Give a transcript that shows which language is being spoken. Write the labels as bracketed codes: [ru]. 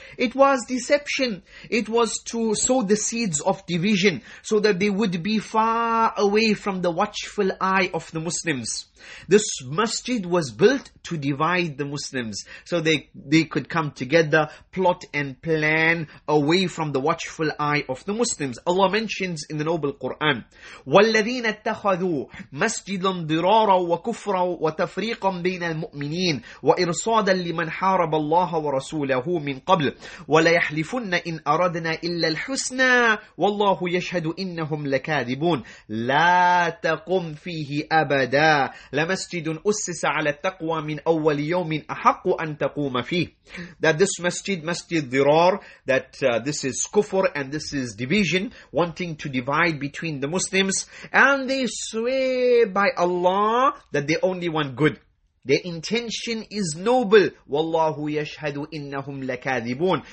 [en] It was deception. It was to sow the seeds of division so that they would be far away from the watchful eye of the Muslims. This masjid was built to divide the Muslims so they could come together, plot and plan away from the watchful eye of the Muslims. Allah mentions in the Noble Quran, [ar] وَالَّذِينَ اتَّخَذُوا مَسْجِدًا ضِرَارًا وَكُفْرًا وَتَفْرِيقًا بَيْنَ الْمُؤْمِنِينَ وَإِرْصَادًا لِمَنْ حَارَبَ اللَّهَ وَرَسُولَهُ مِنْ قَبْلِ وَلَيَحْلِفُنَّ إِنْ أَرَدْنَا إِلَّا الْحُسْنَى وَاللَّهُ يَشْهَدُ إِنَّهُمْ لَكَاذِبُونَ لَا تَقُمْ فِيهِ أَبَدًا لَمَسْجِدٌ أُسِّسَ عَلَى التَّقْوَى مِنْ أَوَّلِ يَوْمٍ أَحَقُّ أَن تَقُومَ فِيهِ. [en] That this masjid, Masjid Dirar, that this is kufr and this is division, wanting to divide between the Muslims, and they swear by Allah that they only want good. Their intention is noble. [ar] Wallahu yashhadu innahum lakadibun.